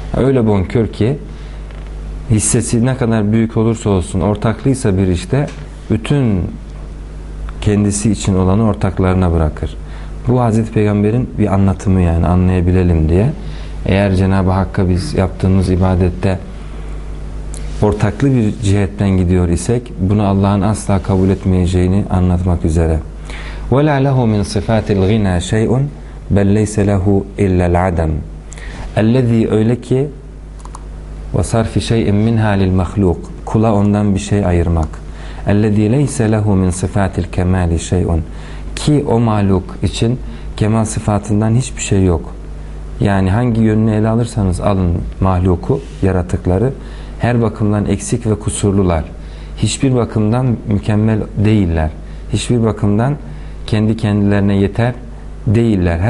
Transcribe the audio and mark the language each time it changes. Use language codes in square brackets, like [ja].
[tr] Öyle bonkör ki hissesi ne kadar büyük olursa olsun, ortaklıysa bir işte bütün kendisi için olanı ortaklarına bırakır. Bu Hazreti Peygamber'in bir anlatımı, yani anlayabilelim diye. Eğer Cenab-ı Hakk'a biz yaptığımız ibadette ortaklı bir cihetten gidiyor isek, bunu Allah'ın asla kabul etmeyeceğini anlatmak üzere. [ar] وَلَا لَهُ مِنْ صِفَاتِ الْغِنَى شَيْءٌ بَلْ لَيْسَ لَهُ اِلَّا الْعَدَمُ اَلَّذ۪ي [tr] Öyle ki [ar] وَصَرْفِ شَيْءٍ مِنْهَا لِلْمَخْلُوقِ [tr] Kula ondan bir şey ayırmak. [ar] اَلَّذ۪ي لَيْسَ لَهُ مِنْ صِفَاتِ الْكَمَالِ شَيْءٌ [tr] Ki o mahluk için kemal sıfatından hiçbir şey yok. Yani hangi yönünü ele alırsanız alın mahluku, yaratıkları, her bakımdan eksik ve kusurlular. Hiçbir bakımdan mükemmel değiller. Hiçbir bakımdan kendi kendilerine yeter değiller.